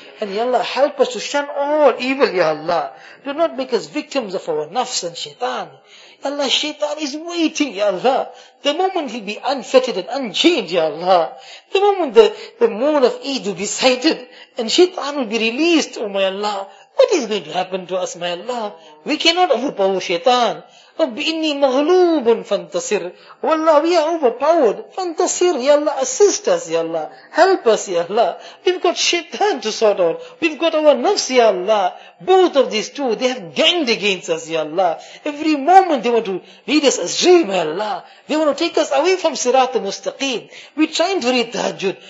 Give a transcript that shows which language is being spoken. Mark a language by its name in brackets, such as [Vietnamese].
[English] And Ya Allah, help us to shun all evil, Ya Allah. Do not make us victims of our nafs and shaitan. Ya Allah, shaitan is waiting, Ya Allah. The moment he'll be unfettered and unchained, Ya Allah. The moment the moon of Eid will be sighted and shaitan will be released, O my Allah. What is going to happen to us, my Allah? We cannot overpower shaitan. [Arabic] وَبِإِنِّي مَغْلُوبٌ فَانْتَصِرْ وَاللَّهُ [English] we are overpowered. [Arabic] فَانْتَصِرْ [English] Ya Allah, assist us, Ya Allah. Help us, Ya Allah. We've got shaitan to sort out. We've got our nafs, Ya Allah. Both of these two, they have ganged against us, Ya Allah. Every moment they want to lead us astray, my Allah. They want to take us away from Sirat al-Mustaqeem. We're trying to read Tahajjud.